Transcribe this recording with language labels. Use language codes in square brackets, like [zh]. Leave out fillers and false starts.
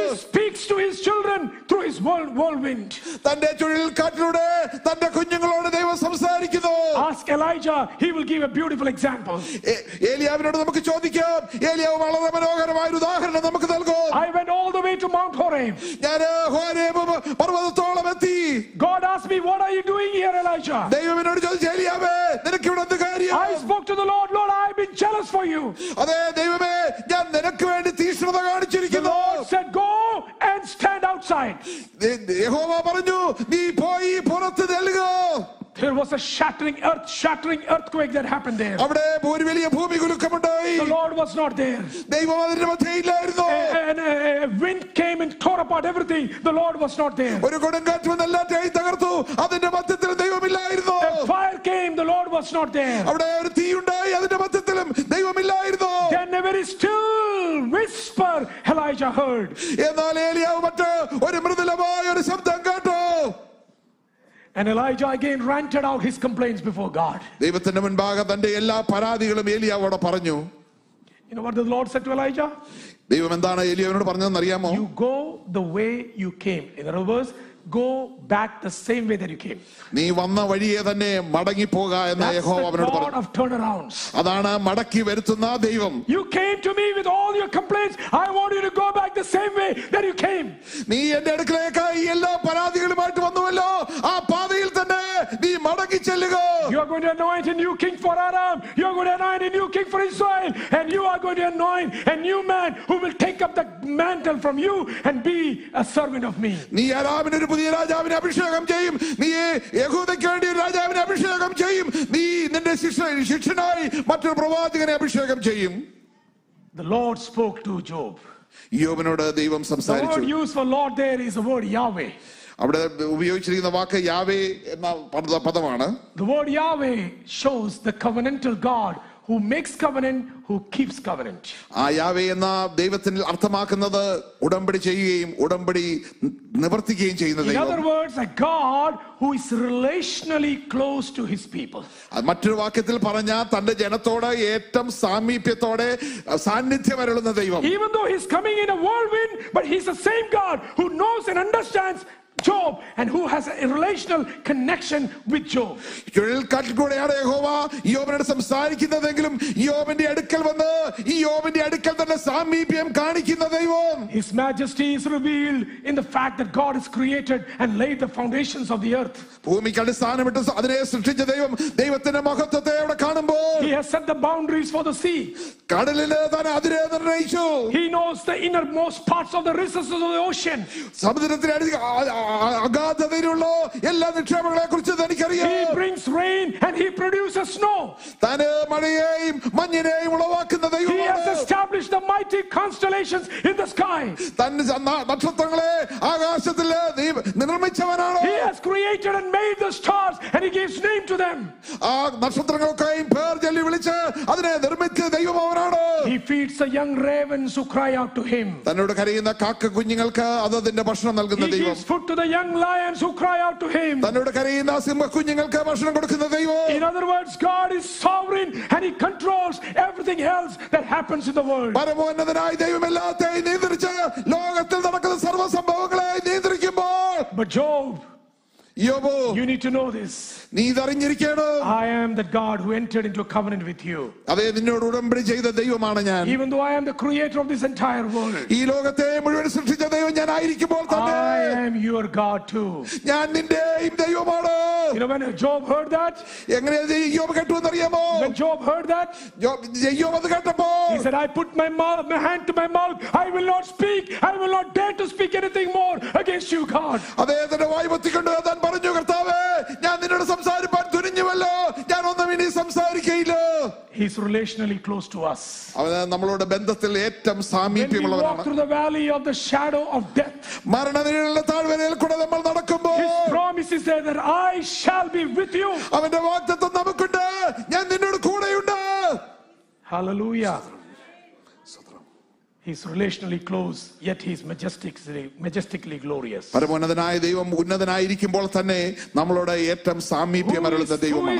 [en] He speaks to his children through his whirlwind. [ml] തന്റെ ചുഴലിക്കാറ്റിലൂടെ തന്റെ കുഞ്ഞുങ്ങളോട് ദൈവം സംസാരിക്കുന്നു. [en] Ask Elijah, he will give a beautiful example. [ml] ഏലിയാവിനോട് നമുക്ക് ചോദിക്കാം, ഏലിയാവ് വളരെ മനോഹരമായ ഒരു ഉദാഹരണം നമുക്ക് നൽകും. [en] I went all the way to Mount Horeb. [ml] ഞാൻ ഹോരേബ് പർവ്വതത്തോളം എത്തി. [en] God asked me, what are you doing here, Elijah? [ml] ദൈവമെന്നോട് ചോദിച്ചു, ഏലിയാവേ നിനക്ക് ഇവിടെ എന്ത് കാര്യം? [en] I spoke to the Lord, Lord, I've been jealous for you. [ml] അതേ ദൈവമേ, ഞാൻ നിനക്ക് വേണ്ടി തീഷ്ണത കാണിച്ചിരിക്കുന്നു. [en] Go and stand outside. [ml] Jehovah paranju nee poi porathu nelgu. [en] There was a shattering earthquake that happened there. [ml] അവിടെ ഒരു വലിയ ഭൂമികുലുക്കം ഉണ്ടായി. [en] The Lord was not there. [ml] ദൈവം അതിന്റെ മധ്യേ ഇല്ലായിരുന്നു. [en] And a wind came and tore apart everything. The Lord was not there. [ml] ഒരു കൊടുങ്കാറ്റ് വന്ന് എല്ലാത്തെയും തകർത്തു. അതിന്റെ മധ്യത്തിൽ ദൈവം ഇല്ലായിരുന്നു. [en] A fire came. The Lord was not there. [ml] അവിടെ ഒരു തീ ഉണ്ടായി. അതിന്റെ മധ്യത്തിലും ദൈവം ഇല്ലായിരുന്നു. [en] Then a very still whisper Elijah heard. [ml] എന്നാൽ ഏലിയാവ് മറ്റ് ഒരു മൃദുലമായ ഒരു ശബ്ദം കേട്ടു. [en] And Elijah again ranted out his complaints before God. [ml] ദൈവത്തിന്റെ മുൻപാകെ തന്റെ എല്ലാ പരാതികളും ഏലിയാവോട് പറഞ്ഞു. [en] You know what the Lord said to Elijah? [ml] ദൈവം എന്താണ് ഏലിയാവിനോട് പറഞ്ഞതെന്ന് അറിയാമോ? [en] You go the way you came. In other words, go back the same way that you came. [ml] നീ വന്ന വഴിയേ തന്നെ മടങ്ങി പോക എന്ന് യഹോവ അവനോട് പറഞ്ഞു. [en] That's the God of turnarounds. [ml] അതാണ് മടക്കി വരുത്തുന്ന ദൈവം. [en] You came to me with all your complaints. I want you to go back the same way that you came. [ml] നീ എൻ്റെ അടുക്കലേക്ക് ഈ എല്ലാ പരാതികളുമായിട്ട് വന്നുവല്ലോ, ആ പാതയിൽ തന്നെ നീ മടങ്ങി ചെല്ലുക. [en] You are going to anoint a new king for Aram. You are going to anoint a new king for Israel. And you are going to anoint a new man who will take up the mantle from you and be a servant of me. [ml] നീ അരാമിനെ പുതിയ രാജാവിനെ അഭിഷേകം ചെയ്യും. നീ യഹൂദയ്ക്ക് വേണ്ടി ഒരു രാജാവിനെ അഭിഷേകം ചെയ്യും. നീ നിന്റെ ശിഷ്യനായി മറ്റൊരു പ്രവാചകനെ അഭിഷേകം ചെയ്യും. [en] The Lord spoke to Job. [ml] യോബിനോട് ദൈവം സംസാരിച്ചു. [en] The word used for Lord there is the word Yahweh. [ml] അവിടെ ഉപയോഗിച്ചിരിക്കുന്ന വാക്ക് യാവേ എന്ന പദമാണ്. [en] The word Yahweh shows the covenantal God who makes covenant, who keeps covenant. [ml] ആ യാവേ എന്ന ദൈവത്തിന് അർത്ഥമാക്കുന്നത് ഉടമ്പടി ചെയ്യുകയും ഉടമ്പടി നിവർത്തിക്കുകയും ചെയ്യുന്ന ദൈവം. [en] In other words, a God who is relationally close to his people. [ml] മറ്റൊരു വാക്യത്തിൽ പറഞ്ഞാൽ തന്റെ ജനത്തോട് ഏറ്റവും സാമീപ്യത്തോടെ സാന്നിധ്യം അരുളുന്ന ദൈവം. [en] Even though he's coming in a whirlwind, but he's the same God who knows and understands Job and who has a relational connection with Job. [ml] കിഴൽക്കാറ്റിലൂടെയാണ് യഹോവ യോബിനോട് സംസാരിക്കുന്നതെങ്കിലും യോബിന്റെ അടുക്കൽ വന്ന് ഈ യോബിന്റെ അടുക്കൽ തന്നെ സാമീപ്യം കാണിക്കുന്ന ദൈവം. [en] His majesty is revealed in the fact that God has created and laid the foundations of the earth. [ml] ഭൂമിക്ക് അടിസ്ഥാനം ഇട്ട് അതിനെ സൃഷ്ടിച്ച ദൈവം ദൈവത്തിന്റെ മഹത്വത്തെ അവിടെ കാണുമ്പോൾ. [en] He has set the boundaries for the sea. [ml] കടലിനെ തന്നെ അതിരെ നിർണയിച്ചു. [en] He knows the innermost parts of the recesses of the ocean. [ml] സമുദ്രത്തിന്റെ അഗാധതയിലുള്ള എല്ലാ നിക്ഷേപങ്ങളെ കുറിച്ച് തനിക്കറിയാം. [en] He brings rain and he produces snow. [ml] തന്നെ മഴയെയും മഞ്ഞിനെയും ഉളവാക്കുന്ന ദൈവം. [en] He has established the mighty constellations in the sky. [ml] തന്നെ നക്ഷത്രങ്ങളെ ആകാശത്തിൽ നിർമ്മിച്ചവനാണ്. [en] He has created and made the stars and he gives name to them. [ml] ആ നക്ഷത്രങ്ങൾക്കായി പേർ ചൊല്ലി വിളിച്ച് അതിനെ നിർമ്മിച്ച ദൈവം അവനാണ്. [en] He feeds the young ravens who cry out to him. [ml] തന്നോട് കരയുന്ന കാക്ക കുഞ്ഞുങ്ങൾക്ക് അതതിന്റെ ഭക്ഷണം നൽകുന്ന ദൈവം. [en] He gives food to the young lions who cry out to him. [ml] തന്നോട് കരയുന്ന സിംഹകുഞ്ഞുങ്ങൾക്ക് ഭക്ഷണം കൊടുക്കുന്ന ദൈവം. [en] In other words, God is sovereign and he controls everything else that happens in the world. [ml] പരമോന്നതനായ ദൈവം എല്ലാത്തെയും നിയന്ത്രിച്ച് ലോകത്തിൽ നടക്കുന്ന സർവ്വ സംഭവങ്ങളെ നിയന്ത്രിക്കുമ്പോൾ. [en] But Job, [ml] യോബോ, [en] you need to know this. [ml] നീ അറിഞ്ഞിരിക്കണം. [en] I am the God who entered into a covenant with you. [ml] അതേ നിന്നോട് ഉടമ്പടി ചെയ്ത ദൈവമാണ് ഞാൻ. [en] Even though I am the creator of this entire world. [ml] ഈ ലോകത്തെ മുഴുവൻ സൃഷ്ടിച്ച ദൈവം ഞാൻ ആയിരിക്കുമ്പോൾ തന്നെ. [en] I am your God too. [ml] ഞാൻ നിന്റെയും ദൈവമാണ്. [en] You know when Job heard that? [ml] എങ്ങനെ യോബ് കേട്ടു എന്ന് അറിയാമോ? [en] When Job heard that? [ml] യോബ് അത് കേട്ടപ്പോൾ. [en] He said, I put my hand to my mouth. I will not speak. I will not dare to speak anything more against you, God. [ml] അതേ തന്നെ വായ് വെച്ചുകൊണ്ട് പറഞ്ഞു, കർത്താവേ ഞാൻ നിന്നോട് സംസാരിപ്പാൻ തുനിഞ്ഞുവല്ലോ, ഞാൻ ഒന്നും ഇനി സംസാരിക്കയില്ല. [en] He is relationally close to us. [ml] അവനെ നമ്മളോട് ബന്ധത്തിൽ ഏറ്റവും സാമീപ്യമുള്ളവനാണ്. [en] We walk through the valley of the shadow of death. [ml] മരണനിഴലിലെ താഴ്വരയിൽ കൂടെ നമ്മൾ നടക്കുമ്പോൾ. [en] His promise is there that I shall be with you. [ml] അവന്റെ വാഗ്ദത്തം നമുക്കുണ്ട്, ഞാൻ നിന്നോട് കൂടെയുണ്ട്. [en] Hallelujah. He is relationally close, yet he is majestically glorious. [ml] പരമോന്നതനായ ദൈവം ഉന്നതനായിരിക്കുമ്പോൾ തന്നെ നമ്മളോട് ഏറ്റവും സാമീപ്യം അരുളുന്ന ദൈവമാണ്.